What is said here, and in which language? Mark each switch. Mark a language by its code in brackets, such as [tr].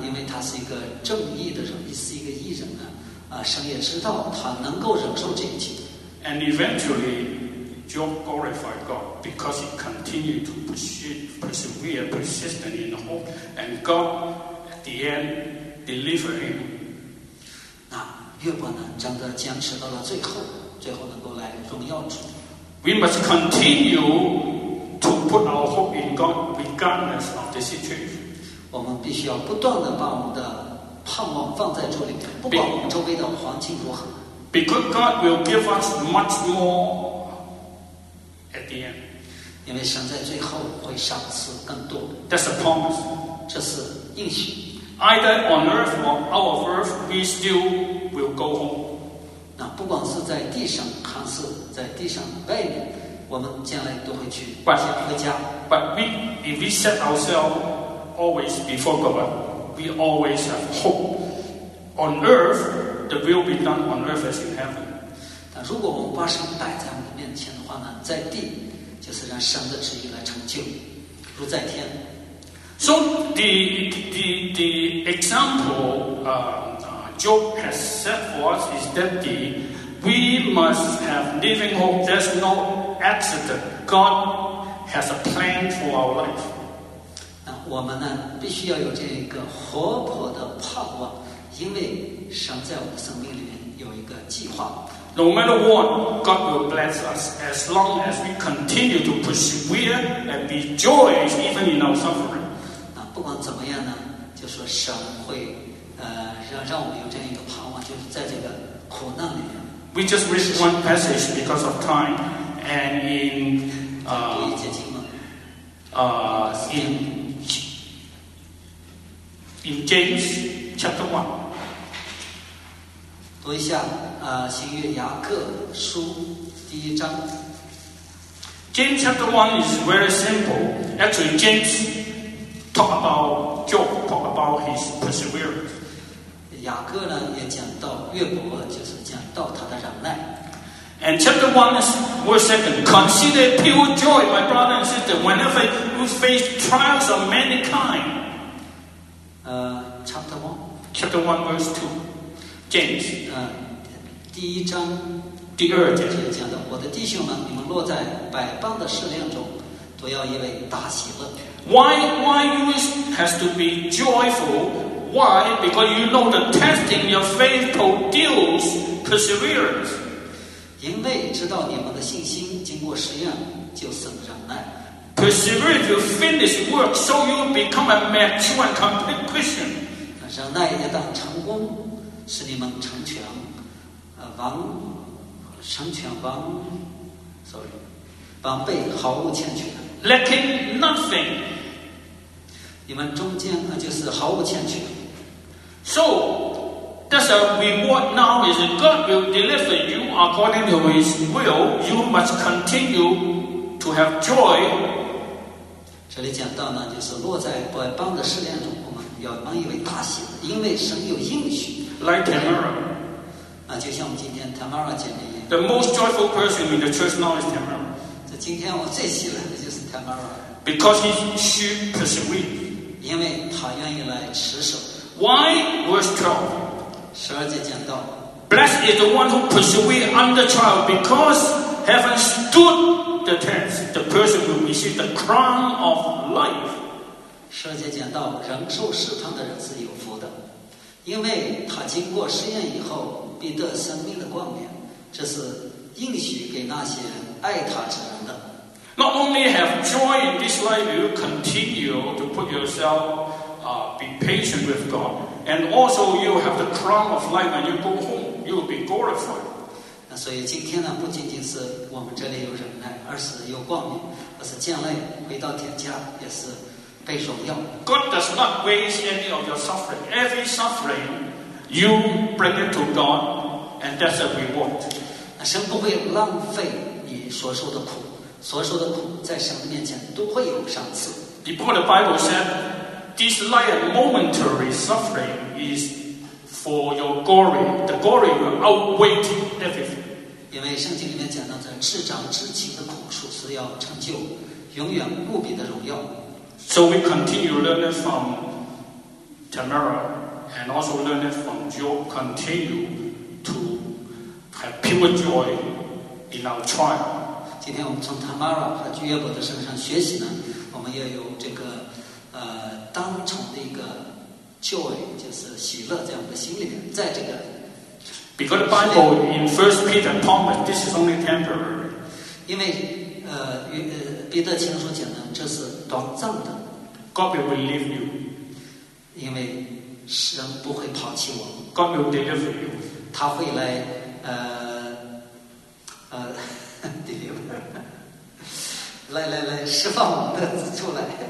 [zh] 因为他是一个正义的人，是一个义人呢。神也知道他能够忍受这一切。 [en] And eventually, Job glorified God because he continued to persevere, persistent in the hope, and God. The end, delivering. [zh] 那约伯呢？真的坚持到了最后，最后能够来荣耀主。 [en] We must continue to put our hope in God, regardless of the situation. [zh] 我们必须要不断的把我们的盼望放在这里面，不管我们周围的环境如何。 [en] Because God will give us much more at the end. [zh] 因为神在最后会赏赐更多。 [en] That's a promise. [zh] 这是应许。 [en] Either on earth or out of earth, we still will go home. [zh] 那不管是在地上还是在地上外面，我们将来都会去回家。 [en] But if we set ourselves always before God, we always have hope. On earth, the will be done on earth as in heaven. [zh] 但如果我们把神摆在我们面前的话呢，在地就是让神的旨意来成就，如在天。 [en] So the example Job has set for us is that we must have living hope. There's no accident. God has a plan for our life. [zh] 那我们呢，必须要有这个活泼的盼望，因为神在我们生命里面有一个计划。 [en] No matter what, God will bless us as long as we continue to persevere and be joyous even in our suffering. [zh] 不管怎么样呢，就说神会让我们有这样一个盼望，就是在这个苦难里面。 [en] We just read one passage because of time, and in in James chapter one. [zh] 读一下新约雅各书第一章。 [en] James chapter one is very simple. Actually, James. Talk about Job. Talk about his perseverance. [zh] 雅各呢也讲到约伯，就是讲到他的忍耐。 [en] And chapter one, verse second, consider pure joy, my brother and sister, whenever you face trials of many kind. Chapter one. Chapter one, verse two. James. [zh] 第一章。第二节也讲到，我的弟兄们，你们落在百般的试炼中，都要因为大喜乐。 [en] Why you has to be joyful? Why? Because you know the testing your faith produces perseverance. [zh] 因为知道你们的信心经过试验就生忍耐。 [en] Perseverance to finish work, so you become a mature and complete Christian. [zh] 忍耐一旦成功，使你们成全，完备毫无欠缺。 [en] Lacking nothing. [zh] 你们中间就是毫无欠缺。 [en] So, that's a reward now is God will deliver you according to his will. You must continue to have joy. [zh] 这里讲到呢，就是落在百般的试炼中，我们要满以为大喜，因为神有应许。 [en] Like Tamara. [zh] 就像我们今天 Tamara 姐妹一样。 [en] The most joyful person in the church now is Tamara. [zh] 今天我最喜欢的就是 Tamara. [en] Because she persevered. [zh] 因为她愿意来持守。 [en] Why? Verse 12. [zh] 十二节讲到。 [en] Blessed is the one who persevered under trial, because having stood the test, the person will receive the crown of life. [zh] 十二节讲到，忍受试探的人是有福的，因为他经过试验以后必得生命的冠冕，这是应许给那些爱他之人的。 [en] Not only have joy in this life, you continue to put yourself, be patient with God, and also you have the crown of life when you go home. You will be glorified. [zh] 那所以今天呢，不仅仅是我们这里有忍耐，而是有光明，而是将来回到天家也是被荣耀。 [en] God does not waste any of your suffering. Every suffering, you bring it to God, and that's a reward. [zh] 那神不会浪费。所受的苦，所受的苦在神面前都会有赏赐。 [en] Before the Bible said, this light and momentary suffering is for your glory. The glory will outweigh everything. [zh] 因为圣经里面讲到，这至长至极的苦楚是要成就永远无比的荣耀。 [en] So we continue learning from Tamara and also learning from Job, continue to have pure joy. In our trial. [zh] 今天我们从 Tamara 和约伯的身上学习呢，我们要有这个单纯的一个 joy， 就是喜乐在我们的心里面，在这个。 [en] Because the Bible in First Peter promised this is only temporary. [zh] 因为彼得前书讲的这是短暂的。 [en] God will relieve you. [zh] 因为神不会抛弃我。 [en] God will deliver you. [zh] 他会来来释放我们的出来。